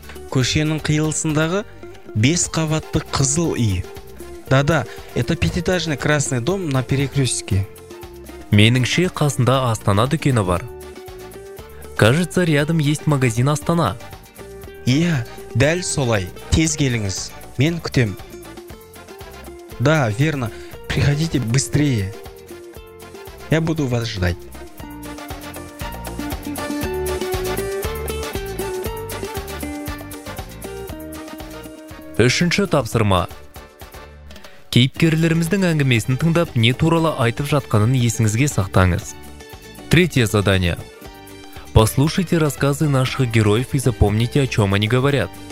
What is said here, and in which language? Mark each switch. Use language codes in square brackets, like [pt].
[kk] Көшенің қиылысындағы 5 қабатты қызыл үй. Да-да, [ru] Это пятиэтажный красный дом на перекрестке. [kk] Меніңше қасында Астана дүкені бар. [ru] Кажется, рядом есть магазин Астана. [kk] Иә, дәл солай. Тез келіңіз. Мен күтем. [ru] Да, верно. Приходите быстрее. Я буду вас ждать. [kk] Үшінші тапсырма. Кейіпкерлеріміздің әңгімесін тыңдап, не туралы айтып жатқанын есіңізге сақтаңыз. [ru] Третье задание. Послушайте рассказы наших героев и запомните, о чем они говорят.